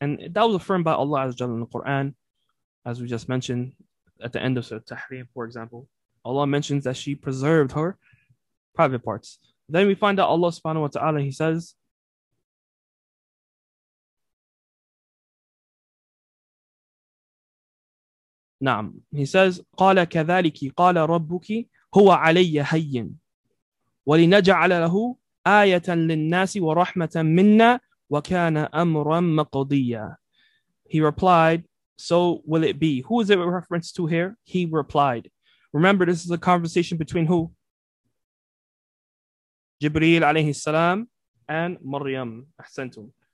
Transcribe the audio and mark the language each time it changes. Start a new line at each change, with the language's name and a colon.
English: And that was affirmed by Allah Azza wa Jalla in the Quran, as we just mentioned at the end of Surah Tahrim, for example. Allah mentions that she preserved her private parts. Then we find that Allah subhanahu wa ta'ala, he says, Naam. He says,
Arabic: قَالَ كَذَلِكِ قَالَ رَبُّكِ هو علي هين ولنجعل له آية للناس ورحمة منا وكان أمرا مقضيا.
English: He replied, so will it be. Who is it a reference to here? He replied. Remember, this is a conversation between who? Jibreel
Arabic: عليه السلام
English: and Maryam.
Arabic: أحسنتم.